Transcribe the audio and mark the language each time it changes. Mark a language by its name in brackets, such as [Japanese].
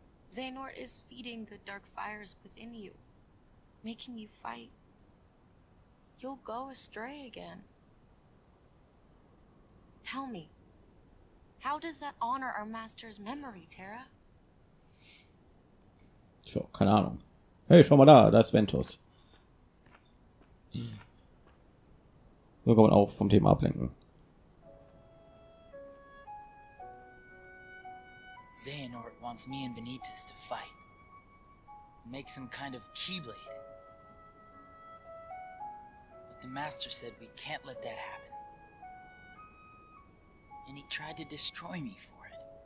[English] Xehanort is feeding the dark fires within you, making you fight. You'll go astray again. Tell me. How does that honor our master's memory, Terra? [German] Tja, keine Ahnung. Hey, schau mal da, da ist Ventus. So kann man auch vom Thema ablenken. [English] Xehanort wants me and Benitez to fight. Make some kind of keyblade. But the master said we can't let that happen. And he tried to destroy me for it.